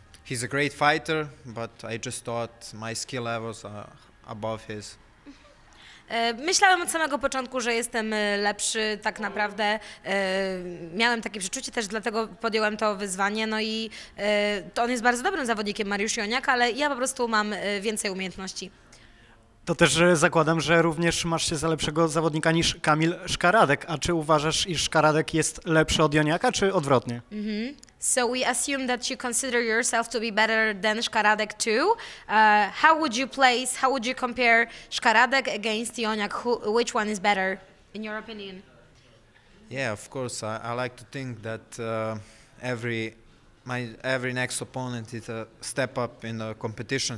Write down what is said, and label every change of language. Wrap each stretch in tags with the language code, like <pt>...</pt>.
<en>He's a great fighter, but I just thought my skill levels are above his.</en> <pl>Myślałem od samego początku, że jestem lepszy tak naprawdę. Miałem takie przeczucie też, dlatego podjąłem to wyzwanie. No i to on jest bardzo dobrym zawodnikiem, Mariusz Joniak, ale ja po prostu mam więcej umiejętności. To też zakładam, że również masz się za lepszego zawodnika niż Kamil Szkaradek. A czy uważasz, iż Szkaradek jest lepszy od Joniaka, czy odwrotnie? Mm-hmm.</pl> <en>So we assume that you consider yourself to be better than Szkaradek too. How would you compare Szkaradek against Joniak? Which one is better, in your opinion? Yeah, of course. I like to think that every next opponent is a step up in the competition.</en>